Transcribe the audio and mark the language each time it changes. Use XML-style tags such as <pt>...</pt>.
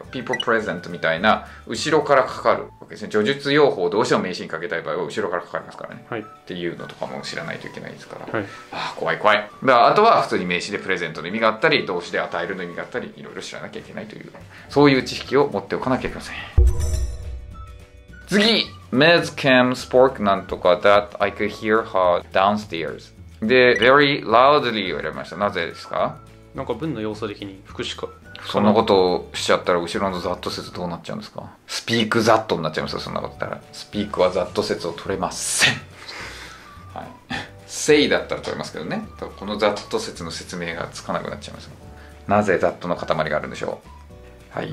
<en>People present</en> <ja>みたいな後ろからかかるわけですね。叙述用法をどうしても名詞にかけたい場合は後ろからかかりますからね、はい、っていうのとかも知らないといけないですから、はい、あ、怖い怖い。だあとは普通に名詞でプレゼントの意味があったり、動詞で与えるの意味があったり、いろいろ知らなきゃいけないという、そういう知識を持っておかなきゃいけません。次、Ms.</ja> <en>Kim spoke</en> <ja>なんとか</ja> <en>that I could hear her downstairs。</en> <ja>で、</ja> <en>very loudly</en> <ja>を入れました。なぜですか？なんか文の要素的に副詞か。そんなことをしちゃったら後ろの that 説どうなっちゃうんですか？</ja> <en>Speak that</en> <ja>になっちゃいますよ、そんなことだったら。Speak は that 説を取れません。はい。 Say だったら取れますけどね。この that 説の説明がつかなくなっちゃいます。なぜ that の塊があるんでしょう？はい、</ja>